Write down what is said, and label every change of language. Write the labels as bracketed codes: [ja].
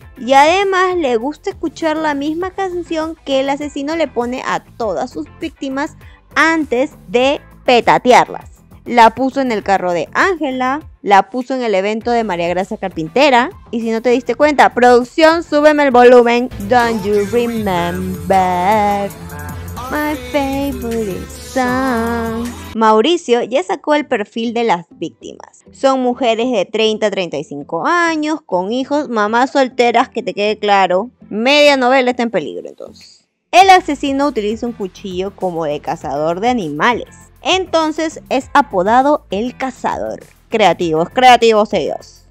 [es] Y además le gusta escuchar la misma canción que el asesino le pone a todas sus víctimas antes de petatearlas. la puso en el carro de Ángela, la puso en el evento de María Gracia Carpintera. Y si no te diste cuenta, producción, súbeme el volumen. [en] Don't you remember my favorite song? [es] Mauricio ya sacó el perfil de las víctimas. Son mujeres de 30 a 35 años, con hijos, mamás solteras, que te quede claro. Media novela está en peligro entonces. El asesino utiliza un cuchillo como de cazador de animales. Entonces es apodado El Cazador. Creativos, creativos ellos.